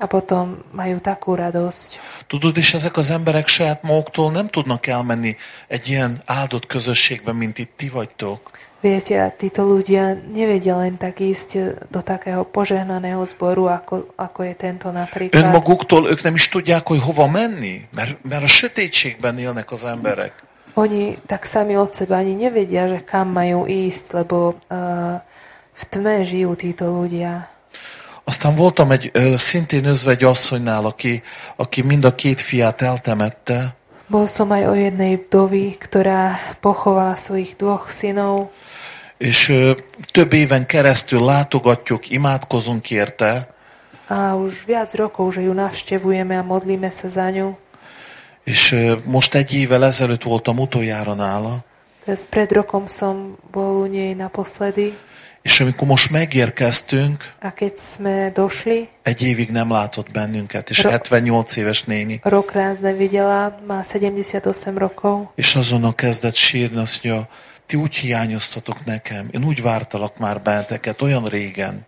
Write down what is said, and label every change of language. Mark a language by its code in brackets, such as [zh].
[sk] A potom majú takú radosť. [hu] Tudod, és ezek az emberek saját maguktól nem tudnak elmenni egy ilyen áldott közösségbe, mint itt ti vagytok. [sk] Viete, a títo ľudia nevedia len tak ísť do takého požehnaného zboru, ako je tento napríklad. [hu] Önmaguktól ők nem is tudják, hogy hova menni, mert a sötétségben élnek az emberek. [sk] Oni tak sami od seba ani nevedia, že kam majú ísť, lebo v tme žijú títo ľudia. [hu] Aztán voltam egy szintén özvegy asszonynál, aki mind a két fiát eltemette. [sk] Bol som aj o jednej vdovi, ktorá pochovala svojich dvoch synov. [hu] És több éven keresztül látogatjuk, imádkozunk érte. [sk] A už viac rokov, že ju navštevujeme a modlíme sa za ňu. [hu] És most egy évvel ezelőtt voltam utoljára nála. [sk] Tehát pred rokom som bol u nej naposledy. [hu] És amikor most megérkeztünk, [sk] a keď sme došli, [hu] egy évig nem látott bennünket, és 78 éves néni. [sk] Rok ráz nevidela, má 78 rokov. [hu] És azonnal kezdett sírni, azt mondja, ti úgy hiányoztatok nekem, én úgy vártalak már benneteket, olyan régen.